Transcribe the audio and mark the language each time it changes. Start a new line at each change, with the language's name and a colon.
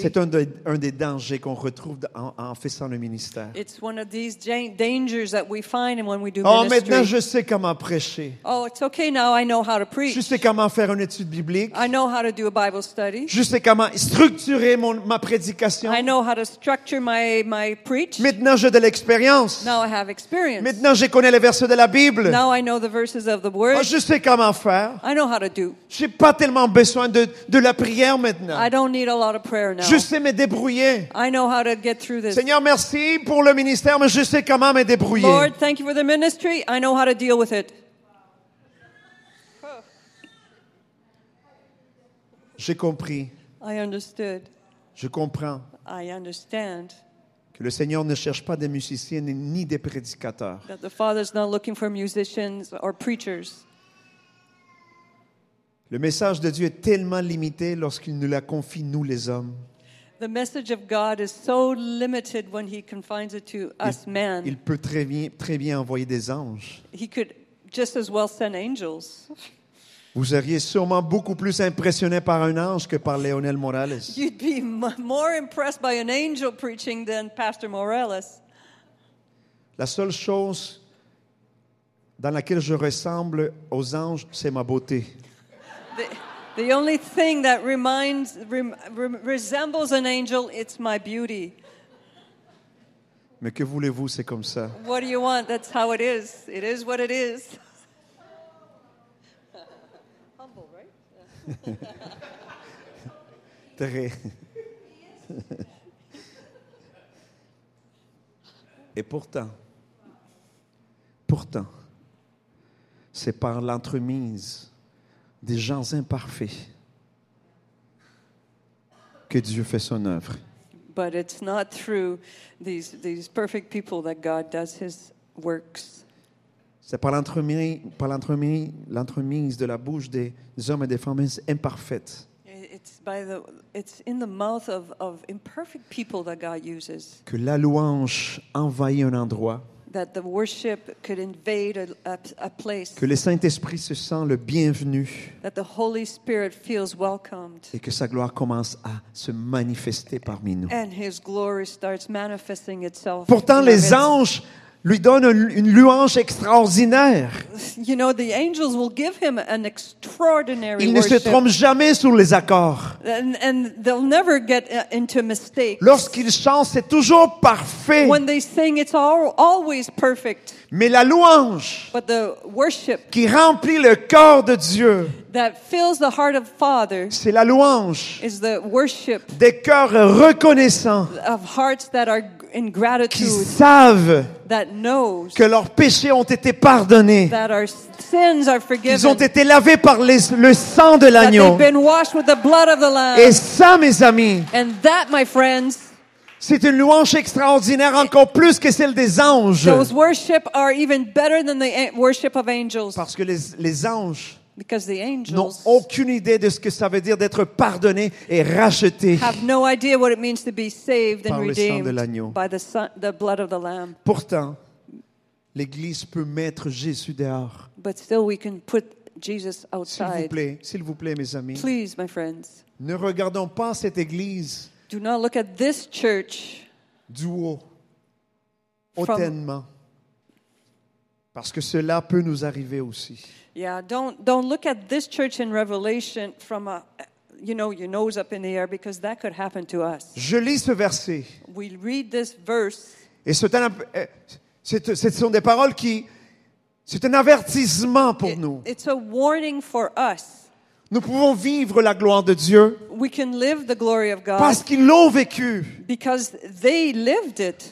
French: C'est un des dangers qu'on retrouve en faisant le ministère.
English: It's one of these dangers that we find when we do oh, ministry.
French: Oh, maintenant je sais comment prêcher.
English: Oh, it's okay now I know how to preach.
French: Je sais comment faire une étude biblique.
English: I know how to do a Bible study.
French: Je sais comment structurer ma prédication.
English: I know how to structure my preach.
French: Maintenant j'ai de l'expérience.
English: Now I have experience.
French: Maintenant je connais les versets de la Bible.
English: Now I know the verses of the word.
French: Oh, je sais comment faire.
English: I know how to do.
French: J'ai pas tellement besoin de la prière maintenant.
English: I don't need a lot of prayer now.
French: Je sais me débrouiller.
English: I know how to get through this.
French: Seigneur, merci pour le ministère, mais je sais comment me débrouiller.
English: Lord, thank you for the ministry. I know how to deal with it.
French: J'ai compris.
English: I understood.
French: Je comprends.
English: I understand.
French: Que le Seigneur ne cherche pas des musiciens ni des prédicateurs.
English: That the Father is not looking for musicians or preachers.
French: Le message de Dieu est tellement limité lorsqu'il nous la confie, nous les hommes.
English: The message of God is so limited when he confines it to us men.
French: Il peut très bien envoyer des anges.
English: He could just as well send angels.
French: Vous seriez sûrement beaucoup plus impressionné par un ange que par Leonel Morales.
English: You'd be more impressed by an angel preaching than Pastor Morales.
French: La seule chose dans laquelle je ressemble aux anges, c'est ma beauté.
English: The only thing that resembles an angel, it's my beauty.
French: Mais que voulez-vous, c'est comme ça.
English: What do you want? That's how it is. It is what it is. Humble, right?
French: Très. Et pourtant, c'est par l'entremise des gens imparfaits que Dieu fait son œuvre.
English: But it's not through these perfect people that God does his works.
French: C'est par l'entremise de la bouche des hommes et des femmes imparfaites.
English: It's in the mouth of imperfect people that God uses.
French: Que la louange envahit un endroit.
English: That the worship could invade a place.
French: Que le Saint-Esprit se sent le bienvenu.
English: That the Holy Spirit feels welcomed.
French: Et que sa gloire commence à se manifester parmi nous.
English: And his glory starts manifesting itself.
French: Pourtant, les anges lui donnent une louange extraordinaire.
English: You know, the angels will give him an extraordinary
French: worship. Il ne se trompe jamais sur les accords.
English: And they'll never get into mistakes.
French: Lorsqu'il chante, c'est toujours parfait.
English: When they sing, it's always perfect.
French: Mais la louange,
English: but the worship
French: qui remplit le cœur de Dieu,
English: that fills the heart of Father,
French: c'est la louange,
English: is the worship
French: des cœurs reconnaissants,
English: of hearts that are in gratitude,
French: qui savent
English: that knows
French: que leurs péchés ont été pardonnés,
English: that our sins are forgiven,
French: qu'ils ont été lavés par le sang de l'agneau,
English: that they've been washed with the blood of the lamb.
French: Et ça, mes amis,
English: and that, my friends,
French: c'est une louange extraordinaire, encore plus que celle des anges.
English: Those worship are even better than the worship of angels.
French: Parce que les anges,
English: because the angels,
French: n'ont aucune idée de ce que ça veut dire d'être pardonné et racheté.
English: Have no idea what it means to be saved and redeemed.
French: Par le sang de l'agneau.
English: By the blood of the lamb.
French: Pourtant, l'Église peut mettre Jésus dehors.
English: But still, we can put Jesus outside.
French: S'il vous plaît, mes amis.
English: Please, my friends.
French: Ne regardons pas cette Église.
English: Do not look at this church
French: du haut, hautainement, parce que cela peut nous arriver aussi.
English: Yeah, don't look at this church in Revelation from a, you know, your nose up in the air, because that could happen to us.
French: Je lis ce verset.
English: We read this verse.
French: Et ce sont des paroles qui, c'est un avertissement pour nous.
English: It's a warning for us.
French: Nous pouvons vivre la gloire de Dieu.
English: We can live the glory of God.
French: Parce qu'ils l'ont vécu.
English: Because they lived it.